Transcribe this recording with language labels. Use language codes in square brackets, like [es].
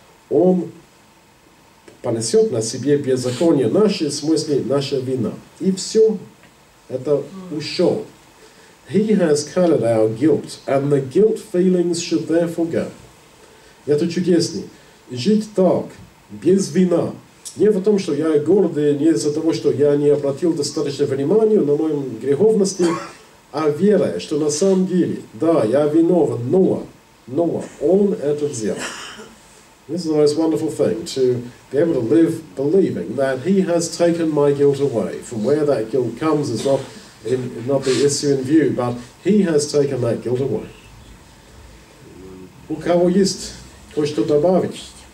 [ru] Он понесет на себе беззаконие наше, в смысле наша вина. И все это ушел. [en] He has carried our guilt, and the guilt feelings should therefore go. [ru] Это чудесно. Жить так, без вина. Не в том, что я гордый, не из-за того, что я не обратил достаточно внимания на мою греховность, а верой, что на самом деле, да, я виновен, но он это взял. [en] This is the most wonderful thing, to be able to live believing that he has taken my guilt away. From where that guilt comes is not the issue in view, but he has taken that guilt away. [ru] У кого есть кое-что добавить?